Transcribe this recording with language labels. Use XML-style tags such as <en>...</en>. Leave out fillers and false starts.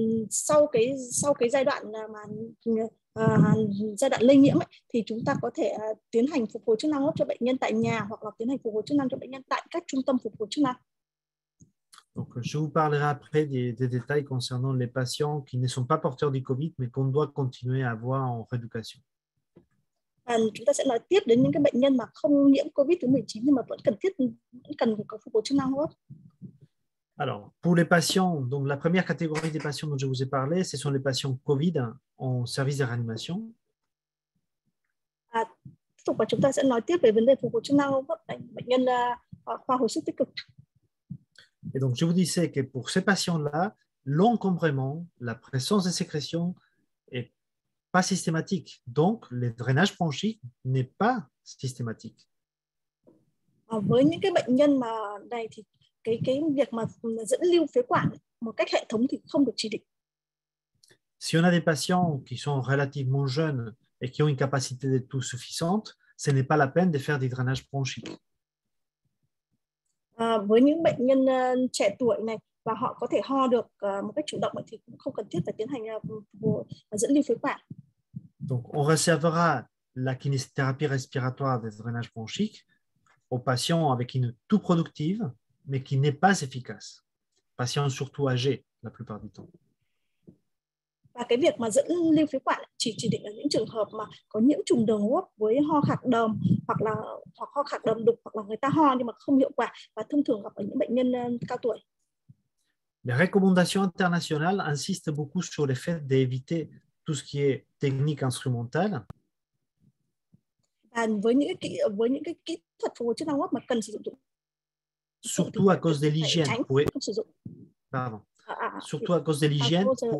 <vi>Sau cái giai đoạn mà giai đoạn lây nhiễm ấy, thì chúng ta có thể tiến hành phục hồi chức năng hấp cho bệnh nhân tại nhà hoặc là tiến hành phục hồi chức năng cho bệnh nhân tại các trung tâm phục hồi chức năng.</vi> <fr>Donc, je vous parlerai après des détails concernant les patients qui ne sont pas porteurs du COVID mais qu'on doit continuer à avoir en rééducation.</fr> <vi>Chúng ta sẽ nói tiếp đến những cái bệnh nhân mà không nhiễm COVID thứ 19 nhưng mà vẫn cần có phục hồi chức năng hấp.</vi> <fr>Alors, pour les patients, donc la première catégorie des patients dont je vous ai parlé, ce sont les patients COVID en service de réanimation.</fr> <vi>Chúng ta sẽ nói tiếp về vấn đề phục hồi chức năng hấp bệnh nhân khoa hồi sức tích cực.</vi> <fr>Et donc, je vous disais que pour ces patients-là, l'encombrement, la présence de sécrétions n'est pas systématique. Donc, le drainage bronchique n'est pas systématique.</fr> <vi>Với những cái bệnh nhân mà này thì cái việc mà dẫn lưu phế quản một cách hệ thống thì không được chỉ định.</vi> <fr>Si on a des patients qui sont relativement jeunes et qui ont une capacité de toux suffisante, ce n'est pas la peine de faire des drainages bronchiques.</fr> <vi>Với những bệnh nhân trẻ tuổi này và họ có thể ho được một cách chủ động thì cũng không cần thiết phải tiến hành dẫn lưu phế quản.</vi> <fr>Donc on réservera la kinésithérapie respiratoire des drainages bronchiques aux patients avec une toux productive mais qui n'est pas efficace. Patients surtout âgés la plupart du temps.</fr> <vi>Và cái việc mà dẫn lưu phế quản chỉ định ở những trường hợp mà có nhiễm trùng đường hô hấp với ho khạc đờm hoặc ho khạc đờm đục hoặc là người ta ho nhưng mà không hiệu quả và thông thường gặp ở những bệnh nhân cao tuổi.</vi> <fr>Les recommandations internationales insistent beaucoup sur le fait d'éviter tout ce qui est technique instrumentale.</fr> <vi>Và với những cái kỹ thuật phục hồi chức năng hô hấp mà cần sử dụng</vi> <fr>surtout à cause de l'hygiène. Oui. Pardon. Surtout à cause de l'hygiène.</fr>